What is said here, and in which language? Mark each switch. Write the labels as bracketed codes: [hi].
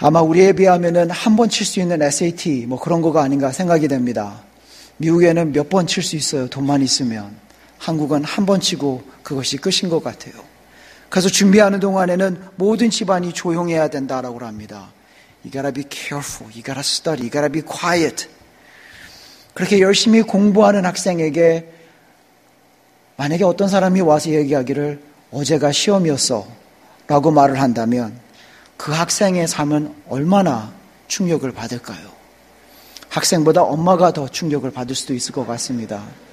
[ko] 아마 우리에 비하면은 한 번 칠 수 있는 SAT 뭐 그런 거가 아닌가 생각이 됩니다. 미국에는 몇 번 칠 수 있어요. 돈만 있으면. 한국은 한 번 치고 그것이 끝인 것 같아요. 그래서 준비하는 동안에는 모든 집안이 조용해야 된다라고 합니다. [en] You gotta be careful, you gotta study, you gotta be quiet. [ko] 그렇게 열심히 공부하는 학생에게 만약에 어떤 사람이 와서 얘기하기를 어제가 시험이었어 라고 말을 한다면 그 학생의 삶은 얼마나 충격을 받을까요? 학생보다 엄마가 더 충격을 받을 수도 있을 것 같습니다.